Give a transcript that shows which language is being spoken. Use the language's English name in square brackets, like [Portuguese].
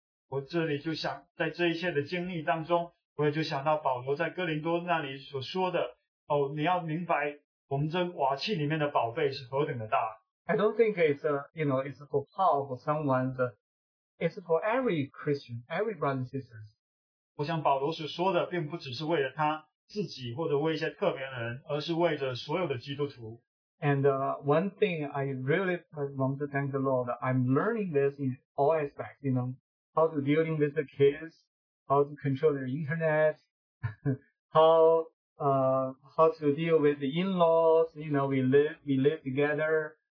[Chinese] 我这里就想在这一切的经历当中，我也就想到保罗在哥林多那里所说的，哦，你要明白我们这瓦器里面的宝贝是何等的大。 [English] I don't think it's for Paul or someone, but it's for every Christian, every brother and sisters. [Chinese] 我想保罗所说的并不只是为了他。自己或者为一些特别的人，而是为着所有的基督徒。 [English] And one thing I really want to thank the Lord, I'm learning this in all aspects, you know, how to dealing with the kids, how to control the internet, how to deal with the in-laws, you know, we live together.